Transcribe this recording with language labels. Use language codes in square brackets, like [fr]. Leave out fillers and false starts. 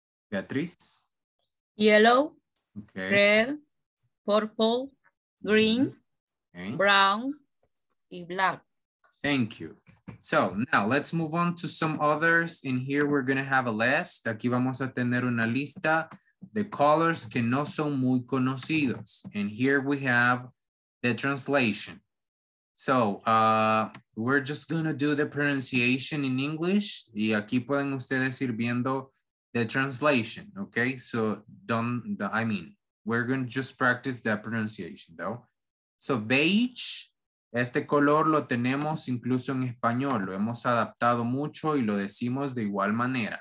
[en] Beatriz? Yellow, okay. Red, purple, green, okay. brown, and black. Thank you. So now let's move on to some others. In here, we're going to have a list. [es] Aquí vamos a tener una lista de colors que no son muy conocidos. [en] And here we have the translation. So we're just going to do the pronunciation in English. [es] Y aquí pueden ustedes ir viendo [en] the translation. Okay, so don't, I mean, we're going to just practice that pronunciation though. [es] So beige. Este color lo tenemos incluso en español. Lo hemos adaptado mucho y lo decimos de igual manera.